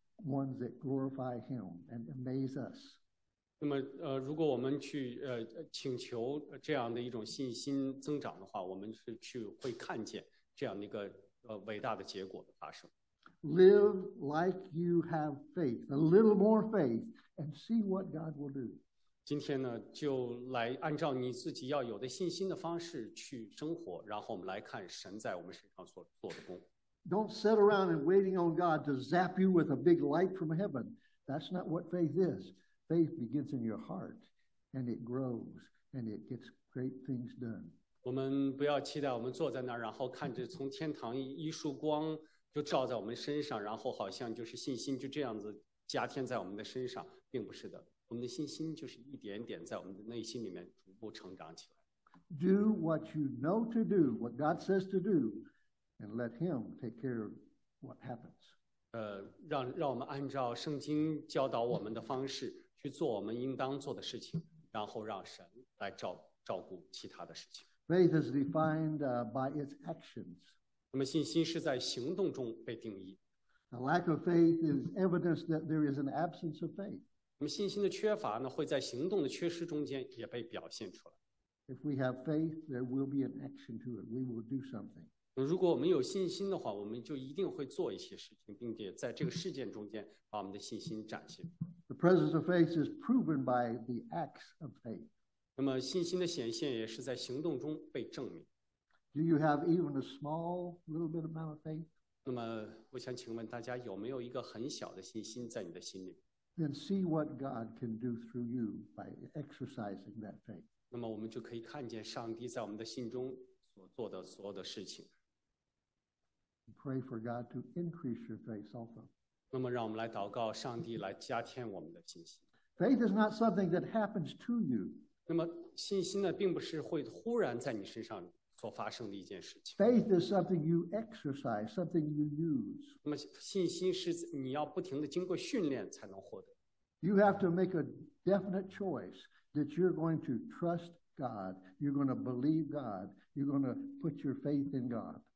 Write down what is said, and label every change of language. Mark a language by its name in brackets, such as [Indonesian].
[English] Ones that glorify Him and amaze us. [Chinese] 那么如果我们去请求这样的一种信心增长的话，我们是去会看见这样的一个伟大的结果的发生。 [English] Live like you have faith, a little more faith, and see what God will do. [Chinese] 今天呢，就来按照你自己要有的信心的方式去生活，然后我们来看神在我们身上所做的工。 [English] Don't sit around and waiting on God to zap you with a big light from heaven. That's not what faith is. Faith begins in your heart, and it grows, and it gets great things done. [Chinese] 我们不要期待我们坐在那儿，然后看着从天堂一束光就照在我们身上，然后好像就是信心就这样子加添在我们的身上，并不是的。我们的信心就是一点点在我们的内心里面逐步成长起来。 [English] Do what you know to do, what God says to do, and let Him take care of what happens. [Chinese] 让我们按照圣经教导我们的方式。去做我们应当做的事情，然后让神来照顾其他的事情。 [English] Faith is defined by its actions. [Chinese] 那么信心是在行动中被定义。 [English] A lack of faith is evidence that there is an absence of faith. [Chinese] 那么信心的缺乏呢，会在行动的缺失中间也被表现出来。 [English] If we have faith, there will be an action to it. We will do something. [Chinese] 如果我们有信心的话，我们就一定会做一些事情，并且在这个事件中间把我们的信心展现。 [English] The presence of faith is proven by the acts of faith. [Chinese] 那么信心的显现也是在行动中被证明。 [English] Do you have even a small little bit amount of faith? [Chinese] 那么我想请问大家有没有一个很小的信心在你的心里？ [English] Then see what God can do through you by exercising that faith. [Chinese] 那么我们就可以看见上帝在我们的心中所做的所有的事情。 [English] Pray for God to increase your faith also. [Chinese] 那么让我们来祷告，上帝来加添我们的信心。 [English] Faith is not something that happens to you. [Chinese] 那么信心呢，并不是会忽然在你身上所发生的一件事情。 [English] Faith is something you exercise, something you use. [Chinese] 那么信心是你要不停的经过训练才能获得。 [English] You have to make a definite choice that you're going to trust God, you're going to believe God, you're going to put your faith in God.